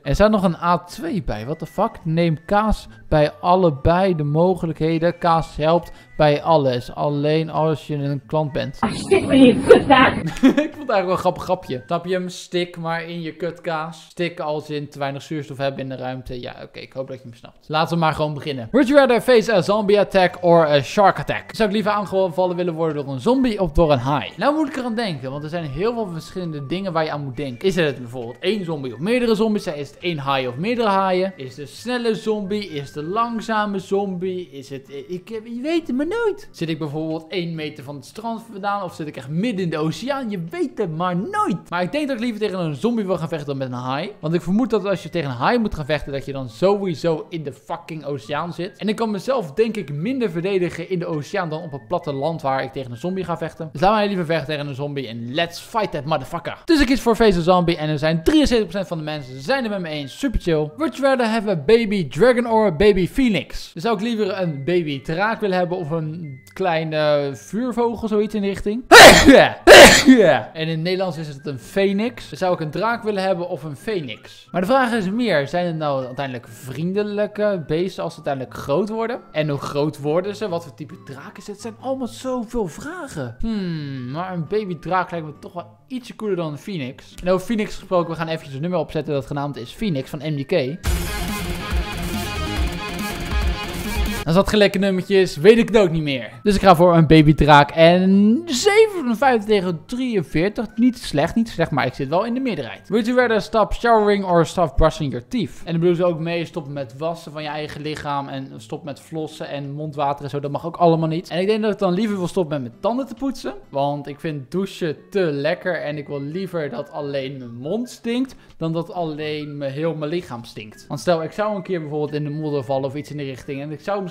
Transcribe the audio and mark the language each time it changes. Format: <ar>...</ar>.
<nl>Er staat nog een A2 bij.</nl> <en>What the fuck?</en> <nl>Neem kaas bij allebei de mogelijkheden. Kaas helpt bij alles. Alleen als je een klant bent. Stik me in je kutkaas. Ik vond het eigenlijk wel een grappig grapje. Tap je hem, stik maar in je kutkaas. Stik als in te weinig zuurstof hebben in de ruimte. Ja, oké. Okay, ik hoop dat je hem snapt. Laten we maar gewoon beginnen.</nl> <en>Would you rather face a zombie attack or a shark attack?</en> <nl>Zou ik liever aangevallen willen worden door een zombie of door een haai? Nou moet ik eraan denken, want er zijn heel veel verschillende dingen waar je aan moet denken. Is het bijvoorbeeld 1 zombie of meerdere zombies? Is het 1 haai of meerdere haaien? Is het een snelle zombie? Is het een langzame zombie? Is het... Je weet het maar nooit. Zit ik bijvoorbeeld 1 meter van het strand vandaan? Of zit ik echt midden in de oceaan? Je weet het maar nooit. Maar ik denk dat ik liever tegen een zombie wil gaan vechten dan met een haai. Want ik vermoed dat als je tegen een haai moet gaan vechten, dat je dan sowieso in de fucking oceaan zit. En ik kan mezelf denk ik minder verdedigen in de oceaan dan op het platte land waar ik tegen een zombie ga vechten. Dus laat mij liever vechten tegen een zombie en</nl> <en>let's fight that motherfucker.</en> <nl>Dus ik kies voor</nl> <en>face a zombie</en> <nl>en er zijn 73% van de mensen zijn er met me eens. Super chill.</nl> <en>Would you rather have a baby dragon or a baby phoenix?</en> <nl>Dus zou ik liever een baby draak willen hebben of een kleine vuurvogel, zoiets in de richting. En in het Nederlands is het een phoenix. Dus zou ik een draak willen hebben of een phoenix? Maar de vraag is meer, zijn het nou uiteindelijk vriendelijke beesten als ze uiteindelijk groot worden? En hoe groot worden ze? Wat voor type draak is het? Het zijn allemaal zoveel vragen. Maar een baby draak lijkt me toch wel ietsje cooler dan een phoenix. En over phoenix gesproken, we gaan eventjes een nummer opzetten dat genaamd is Phoenix van MDK. Dan zat gelijke nummertjes, weet ik het ook niet meer. Dus ik ga voor een babydraak en 57 tegen 43. Niet slecht, maar ik zit wel in de meerderheid.</nl> <en>Would you rather stop showering or stop brushing your teeth?</en> <nl>En dan bedoel ze ook mee, stoppen met wassen van je eigen lichaam en stop met flossen en mondwater en zo. Dat mag ook allemaal niet. En ik denk dat ik dan liever wil stoppen met mijn tanden te poetsen. Want ik vind douchen te lekker en ik wil liever dat alleen mijn mond stinkt dan dat alleen heel mijn lichaam stinkt. Want stel, ik zou een keer bijvoorbeeld in de modder vallen of iets in de richting en ik zou misschien</nl>